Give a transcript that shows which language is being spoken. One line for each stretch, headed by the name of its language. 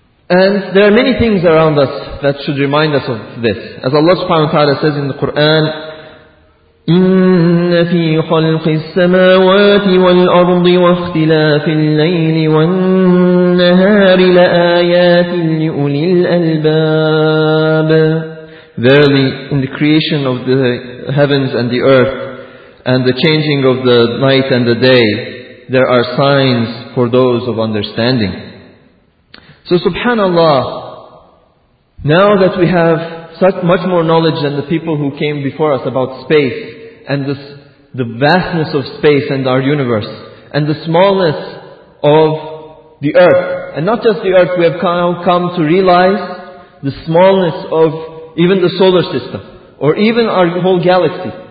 English: And there are many things around us that should remind us of this. As Allah subhanahu wa ta'ala says in the Quran,
Arabic: إن في خلق السماوات والأرض واختلاف الليل والنهار لآيات لأولي الألباب.
English: Verily, in the creation of the heavens and the earth, and the changing of the night and the day, there are signs for those of understanding. So subhanAllah, now that we have such much more knowledge than the people who came before us about space, and the vastness of space and our universe, and the smallness of the earth, and not just the earth, we have come to realize the smallness of even the solar system, or even our whole galaxy.